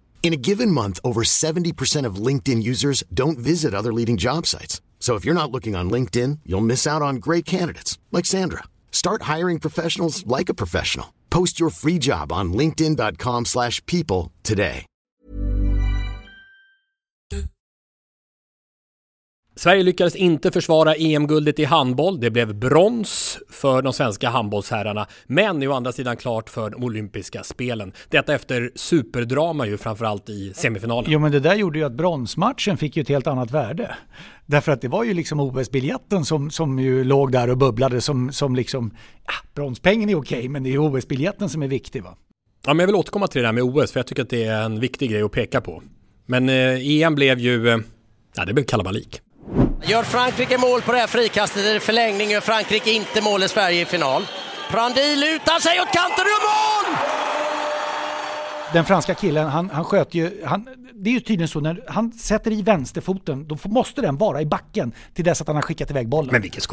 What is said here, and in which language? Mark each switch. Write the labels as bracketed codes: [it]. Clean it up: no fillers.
[en] In a given month, over 70% of LinkedIn users don't visit other leading job sites. So if you're not looking on LinkedIn, you'll miss out on great candidates, like Sandra. Start hiring professionals like a professional. Post your free job on linkedin.com/people today. [sv] Sverige lyckades inte försvara EM-guldet i handboll. Det blev brons för de svenska handbollsherrarna. Men å andra sidan klart för de olympiska spelen. Detta efter superdrama ju framförallt i semifinalen. Jo, men det där gjorde ju att bronsmatchen fick ju ett helt annat värde. Därför att det var ju liksom OS-biljetten som ju låg där och bubblade som liksom, ja, bronspengen är okej, men det är OS-biljetten som är viktig, va? Ja, men jag vill återkomma till det där med OS, för jag tycker att det är en viktig grej att peka på. Men EM blev ju, ja, det blev kalabalik. Gör Frankrike mål på det här frikastet i förlängning, gör Frankrike inte mål i Sverige i final. Prandil utan sig åt kanten och mål! Den franska killen, han sköt ju, han, det är ju tydligen så, när han sätter i vänsterfoten, då måste den vara i backen till dess att han har skickat iväg bollen.